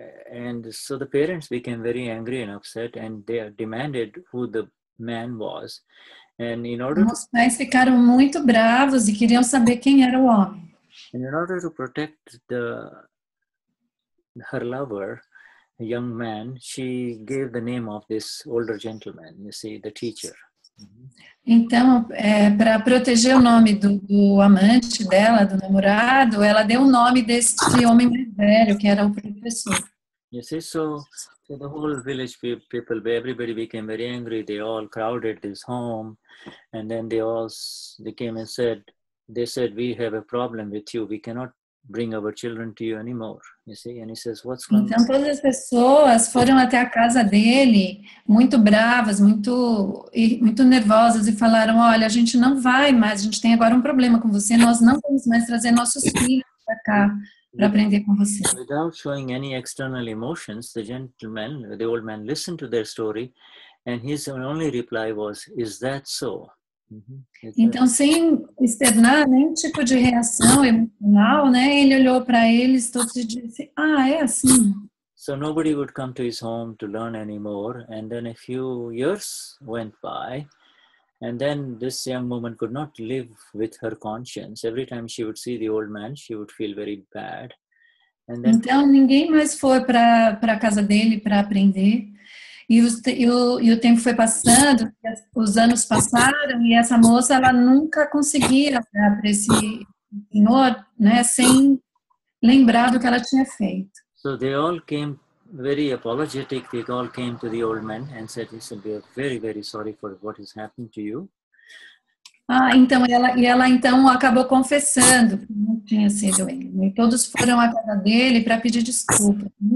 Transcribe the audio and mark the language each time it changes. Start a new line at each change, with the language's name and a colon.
English: And so the parents became very angry and upset, and they demanded who the man was. And in order
Portuguese: os pais ficaram muito bravos e queriam saber quem era o homem.
English: And in order to protect her lover, a young man, she gave the name of this older gentleman, you see, the teacher.
Portuguese: Então, para proteger o nome do amante dela, do namorado, ela deu o nome deste homem mais velho, que era o professor.
English: You see, so the whole village people, everybody became very angry. They all crowded this home, and then they came and said, they said, we have a problem with you. We cannot bring our children to you anymore. You see, and he says, what's going on?
Portuguese: Então, todas as pessoas foram até a casa dele, muito bravas, muito nervosas, e falaram, olha, a gente não vai mais, a gente tem agora um problema com você, nós não vamos mais trazer nossos filhos para cá para aprender com você.
English: Without showing any external emotions, the gentleman, the old man, listened to their story, and his only reply was, is that so?
Portuguese: Então, sem externar nenhum tipo de reação emocional, né, ele olhou para eles todos e disse, ah, é assim.
English: So nobody would come to his home to learn anymore, and then a few years went by, and then this young woman could not live with her conscience. Every time she would see the old man, she would feel very bad. And then,
Portuguese: então, ninguém mais foi para a casa dele para aprender. E o tempo foi passando, os anos passaram, e essa moça, ela nunca conseguia olhar para esse senhor, né, sem lembrar do que ela tinha feito.
English: So they all came very apologetic, they all came to the old man and said, listen, we are very, very sorry for what has happened to you.
Portuguese: Ah, então, ela então acabou confessando que não tinha sido ele. E todos foram à casa dele para pedir desculpa.